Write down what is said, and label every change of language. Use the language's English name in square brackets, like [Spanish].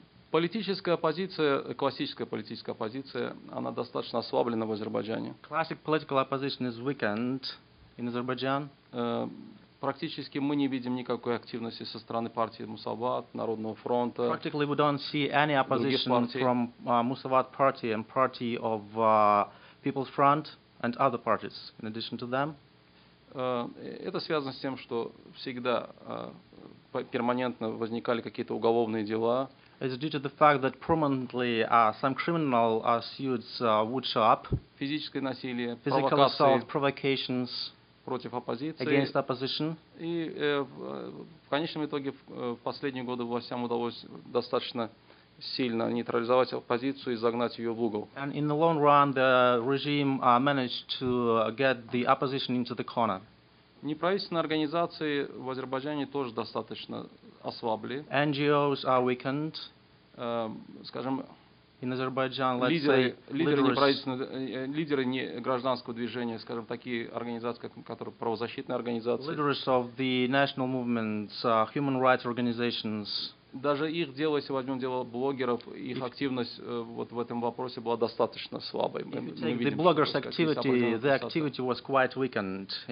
[Russian] Политическая оппозиция, классическая политическая оппозиция, она достаточно ослаблена в Азербайджане. [English] Classic political opposition is weakened in Azerbaijan. [Russian] Практически мы не видим никакой активности со стороны партии Мусават, Народного фронта. [English] Practically we don't see any opposition from Musavat party and party of People's Front and other parties in addition to them. [Russian] Это связано с тем, что всегда перманентно возникали какие-то уголовные дела. [English] It's due to the fact that permanently some criminal suits would show up. [Russian] Физическое насилие, [English] physical assault, provocations [Russian] против оппозиции, [English] against opposition. [Russian] И в конечном итоге в последние годы властям удалось достаточно сильно нейтрализовать оппозицию и загнать ее в угол. [English] And in the long run, the regime managed to get the opposition into the corner. [Russian] Неправительственные организации в Азербайджане тоже достаточно ослабли. [English] NGOs are weakened. [Russian] Скажем, [English] in Azerbaijan, [Russian] лидеры не гражданского движения, скажем, такие организации, которые правозащитные организации. [English] Leaders of the national movements, human rights organizations. [Russian] Даже их дело, если возьмем дело блогеров, их активность вот в этом вопросе была достаточно слабой. [English] If you take the bloggers' activity, their activity was quite weakened.